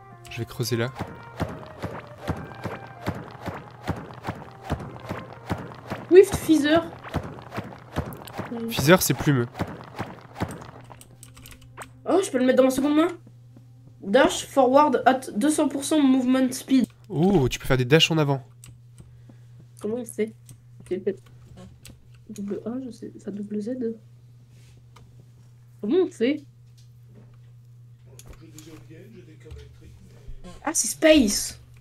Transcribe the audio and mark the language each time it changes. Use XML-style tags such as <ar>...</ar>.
<fr>Je vais creuser là.</fr> <en>Wift Feather.</en> <fr>Feather, c'est plume. Oh, je peux le mettre dans ma seconde main.</fr> <en>Dash forward at 200% movement speed.</en> <fr>Oh, tu peux faire des dashs en avant. Comment il sait? Double A, je sais, ça double Z. Comment on fait? Ah, c'est Space!</fr>